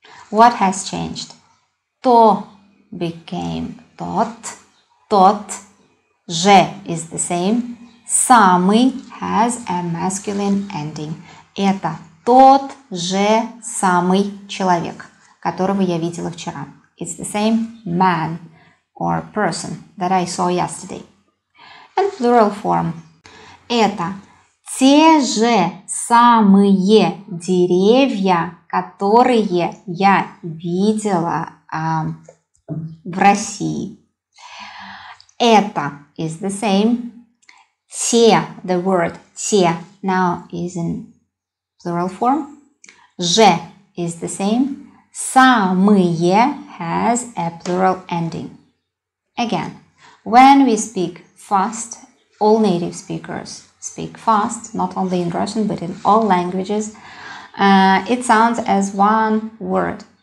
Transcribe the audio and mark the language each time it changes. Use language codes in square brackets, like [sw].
[en] What has changed? То became тот. Тот же is the same. Самый has a masculine ending. [ru] Это тот же самый человек, которого я видела вчера. [en] It's the same man or person that I saw yesterday. And plural form. [ru] Это те же самые деревья, которые я видела в России. [en] Это is the same. Те, the word те, now is in plural form. Же is the same. Самые has a plural ending. Again, when we speak fast, all native speakers speak fast, not only in Russian, but in all languages, it sounds as one word.